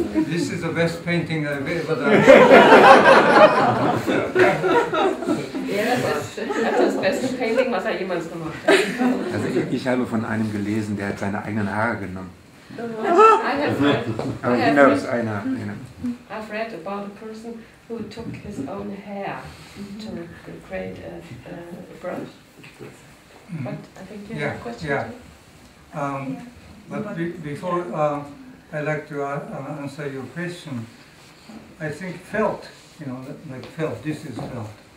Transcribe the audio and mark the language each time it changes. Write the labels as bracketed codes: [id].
[en] This is the best painting I've ever done. [de] Ja, das ist das beste Painting, was er jemals gemacht hat. Also ich habe von einem gelesen, der hat seine eigenen Haare genommen. Aber [en] he knows [de] einer. [en] I've read about a person who took his own hair to create a brush. But I think you have a question. Yeah. But before I'd like to answer your question, I think felt, you know, like felt, this is felt.